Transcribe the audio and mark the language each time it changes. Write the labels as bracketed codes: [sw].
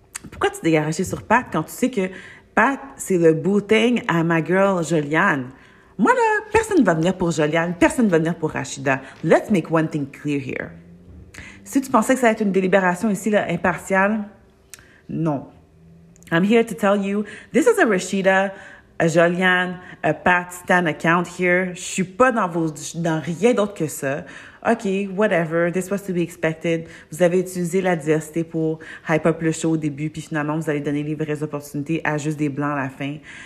[fr] Pourquoi tu t'es garochée sur Pat quand tu sais que Pat, c'est le booting à ma girl Joliane? Moi, là, personne ne va venir pour Joliane. Personne ne va venir pour Rachida. [en] Let's make one thing clear here. [fr] Si tu pensais que ça va être une délibération ici, là, impartiale, non. [en] I'm here to tell you, this is a Rashida, a Joliane, a Pat Stan account here. [fr] Je suis pas dans rien d'autre que ça. [en] OK, whatever, this was to be expected. [fr] Vous avez utilisé la diversité pour hype up le show au début, puis finalement, vous allez donner les vraies opportunités à juste des blancs à la fin.